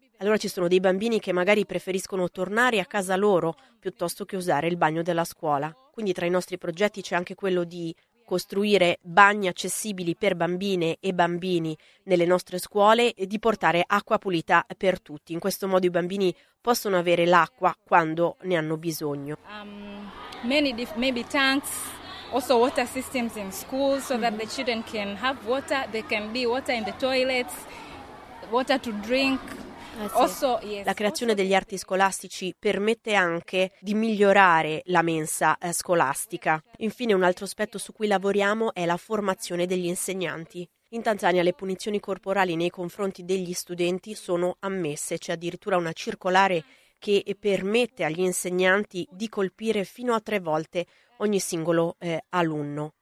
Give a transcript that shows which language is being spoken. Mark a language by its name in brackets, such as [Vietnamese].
[Italian] Allora ci sono dei bambini che magari preferiscono tornare a casa loro piuttosto che usare il bagno della scuola. Quindi tra i nostri progetti c'è anche quello di costruire bagni accessibili per bambine e bambini nelle nostre scuole e di portare acqua pulita per tutti. In questo modo i bambini possono avere l'acqua quando ne hanno bisogno. [English] Maybe tanks, also water systems in schools so that the children can have water, they can be water in the toilets, water to drink. [Italian] La creazione degli arti scolastici permette anche di migliorare la mensa scolastica. Infine, un altro aspetto su cui lavoriamo è la formazione degli insegnanti. In Tanzania le punizioni corporali nei confronti degli studenti sono ammesse, c'è addirittura una circolare che permette agli insegnanti di colpire fino a 3 volte ogni singolo alunno.